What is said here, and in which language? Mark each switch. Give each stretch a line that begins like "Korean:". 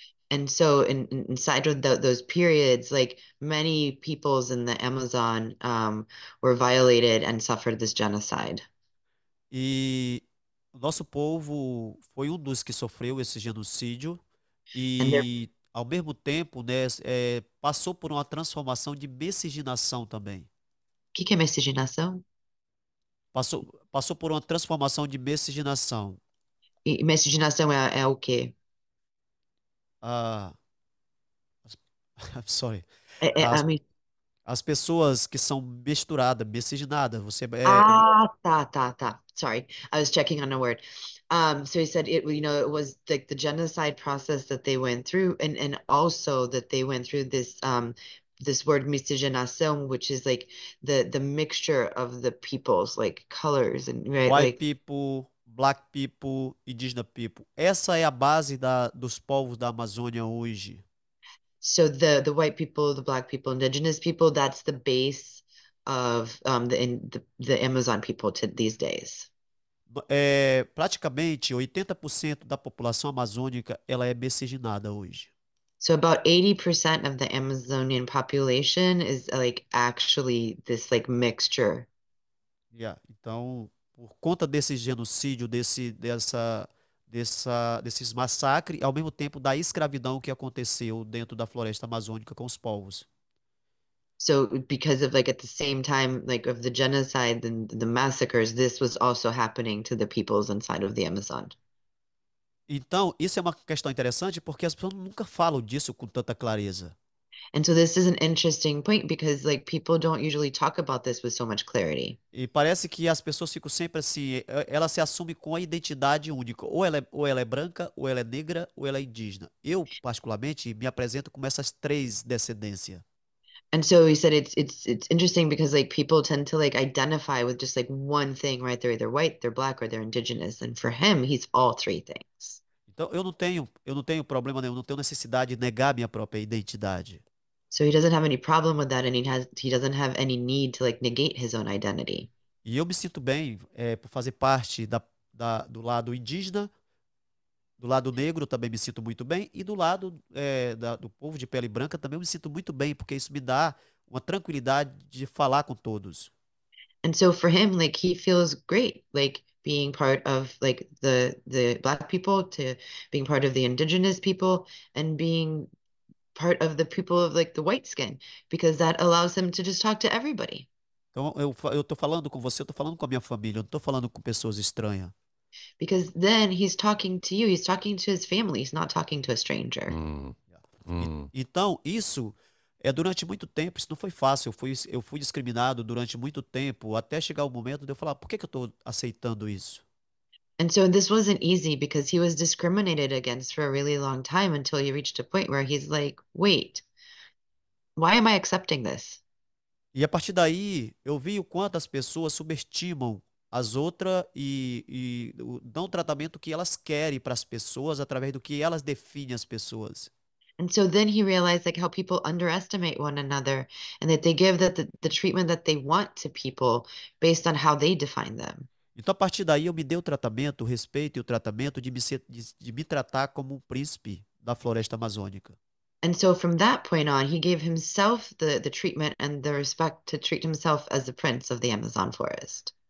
English: And so inside of those periods, like many peoples in the Amazon were violated and suffered this genocide.
Portuguese: E o nosso povo foi um dos que sofreu esse genocídio
English: And their
Portuguese: e, ao mesmo tempo, né, passou por uma transformação de miscigenação também. que é miscigenação? Passou por uma transformação de miscigenação. E miscigenação é o quê?
English: Ah, sorry.
Portuguese: É a mim. As pessoas que são misturadas, miscigenadas, Ah, tá.
English: Sorry, I was checking on a word. So he said it, you know, it was like the genocide process that they went through, and also that they went through this this word miscigenação, which is like the mixture of the peoples, like colors and right, White people, black people, indigenous people.
Portuguese: Essa é a base dos povos da Amazônia hoje.
English: So the white people, the black people, indigenous people, that's the base of the Amazon people to these days.
Portuguese: Praticamente 80% da população amazônica ela é miscigenada hoje.
English: So about 80% of the Amazonian population is like actually this like mixture.
Portuguese: Então, por conta desse genocídio, desses massacres, e ao mesmo tempo da escravidão que aconteceu dentro da floresta amazônica com os povos.
English: So, because of like at the same time, like of the genocide and the massacres, this was also happening to the peoples inside of the Amazon.
Portuguese: Então, isso é uma questão interessante porque as pessoas nunca falam disso com tanta clareza.
English: And so, this is an interesting point because like people don't usually talk about this with so much clarity.
Portuguese: E parece que as pessoas ficam sempre assim, ela se assume com a identidade única. Ou ela é branca, ou ela é negra, ou ela é indígena. Eu, particularmente, me apresento com essas três descendências.
English: And so he said it's interesting because like people tend to like identify with just like one thing, right? They're either white, they're black, or they're indigenous. And for him, he's all three things.
Portuguese: Então, eu não tenho problema nenhum, não tenho necessidade de negar minha própria identidade.
English: So he doesn't have any problem with that, and he doesn't have any need to like negate his own identity.
Portuguese: E eu me sinto bem, por fazer parte do lado indígena, do lado negro também me sinto muito bem, e do lado, do povo de pele branca também me sinto muito bem, porque isso me dá uma tranquilidade de falar com todos.
English: And so for him, like he feels great, like being part of like the black people to being part of the indigenous people and being part of the people of like the white skin, because that allows him to just talk to everybody.
Portuguese: Então, eu estou falando com você, eu estou falando com a minha família, eu não estou falando com pessoas estranhas.
English: Because then he's talking to you, he's talking to his family, he's not talking to a stranger.
Portuguese: Então, isso Durante muito tempo, isso não foi fácil. Eu fui discriminado durante muito tempo, até chegar o momento de eu falar: por que que eu estou aceitando isso?
English: And so this wasn't easy because he was discriminated against for a really long time until he reached a point where he's like, wait, why am I accepting this?
Portuguese: E a partir daí, eu vi o quanto as pessoas subestimam as outras e dão o tratamento que elas querem para as pessoas através do que elas definem as pessoas.
English: And so then he realized like how people underestimate one another and that they give the treatment that they want to people based on how they define them.
Portuguese: Então, a partir daí, eu me dei o tratamento, o respeito e o tratamento de me tratar como um príncipe da floresta amazônica.
English: And so from that point on, he gave himself the treatment and the respect to treat himself as the prince of the Amazon forest.